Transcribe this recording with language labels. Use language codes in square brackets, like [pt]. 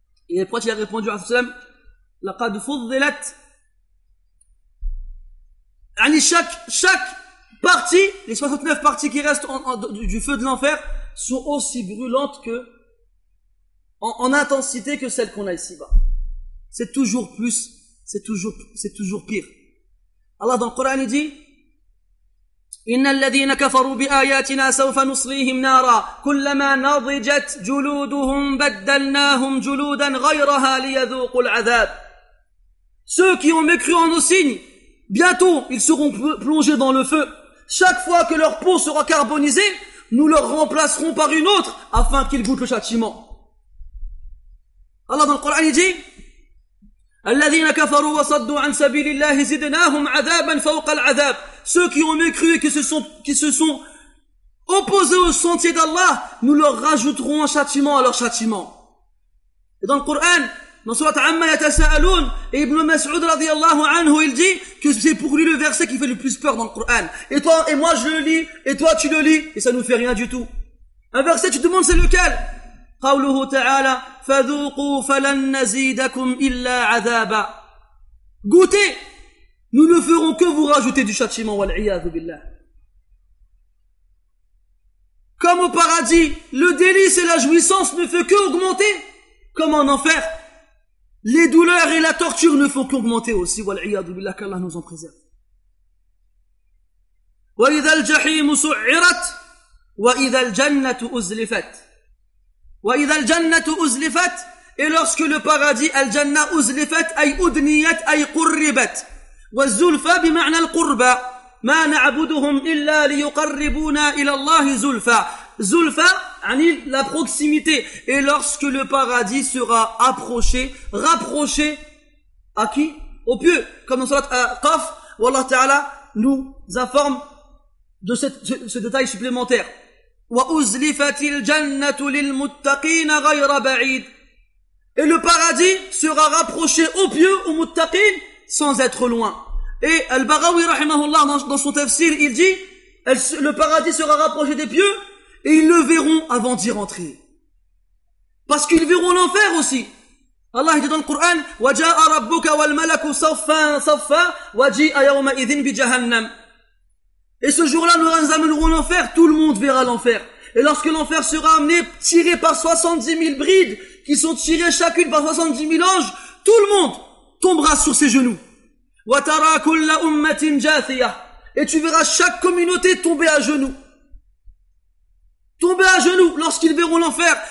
[fr] Et le prophète a répondu [ar] عليه السلام لقد فضلت يعني [fr] chaque partie, les 69 parties qui restent du feu de l'enfer sont aussi brûlantes que en intensité que celle qu'on a ici-bas. C'est toujours plus, c'est toujours pire. Allah dans le Coran dit [ar] إِنَّ الَّذِينَ كَفَرُوا بِآيَاتِنَا سَوْفَ نُصْلِيهِمْ نَارًا كُلَّمَا نَضِجَتْ جُلُودُهُمْ بَدَّلْنَاهُمْ جُلُودًا غَيْرَهَا لِيَذُوقُوا الْعَذَابِ. [fr] Ceux qui ont mécru en nos signes, bientôt ils seront plongés dans le feu. Chaque fois que leur peau sera carbonisée, nous leur remplacerons par une autre afin qu'ils goûtent le châtiment. [ar] الله في القرآن يقول الذين كفروا وصدوا عن سبيل الله زدناهم عذابا فوق العذاب. [fr] Ceux qui ont mécru et qui se sont opposés au sentier d'Allah, nous leur rajouterons un châtiment à leur châtiment. Et dans le Coran, dans surat Amma yatasaalun, Ibn Mas'ud radiyallahu anhu, il dit que c'est pour lui le verset qui fait le plus peur dans le Coran. Et toi et moi je le lis et toi tu le lis et ça nous fait rien du tout. Un verset, tu te demandes c'est lequel? [ar] قوله تعالى فذوقوا فلن نزيدكم إلا عذابا. [fr] Goûtez, nous ne ferons que vous rajouter du châtiment, [ar] والعياذ بالله. [fr] Comme au paradis, le délice et la jouissance ne font qu'augmenter, comme en enfer, les douleurs et la torture ne font qu'augmenter aussi, [ar] والعياذ بالله, [fr] qu'Allah nous en préserve. [ar] وإذا الجحيم سعرت وإذا الجنة أزلفت. وإذا الجنة أزلفت, [fr] et lorsque le paradis [ar] الجنة أزلفت أي أدنيت أي قربت, والزلفة بمعنى القربة, ما نعبدهم إلا ليقربونا إلى الله زلفة. زلفة يعني [fr] la proximité, et lorsque le paradis sera approché, rapproché à qui? Au pieux, comme dans sourate Qaf, où Allah Ta'ala nous informe de ce détail supplémentaire. [ar] وأزلفت الجنة للمتقين غير بعيد. [fr] Et le paradis sera rapproché au pieux, au muttaqin, sans être loin. Et Al-Baghawi rahimahullah, dans son tafsir, il dit, le paradis sera rapproché des pieux, et ils le verront avant d'y rentrer. Parce qu'ils verront l'enfer aussi. Allah dit dans le Coran, [ar] وَجَاءَ رَبُّكَ وَالْمَلَكُ صَفًّا صَفًّا وَجِئَ يَوْمَئِذٍ بِجَهَنَّمْ. [fr] Et ce jour-là, nous amènerons l'enfer, tout le monde verra l'enfer. Et lorsque l'enfer sera amené, tiré par 70 000 brides, qui sont tirées chacune par 70 000 anges, tout le monde tombera sur ses genoux. [ar] وَتَرَى كُلَّ أُمَّةٍ جَاثِيَةٍ. [fr] Et tu verras chaque communauté tomber à genoux. Tomber à genoux lorsqu'ils verront l'enfer.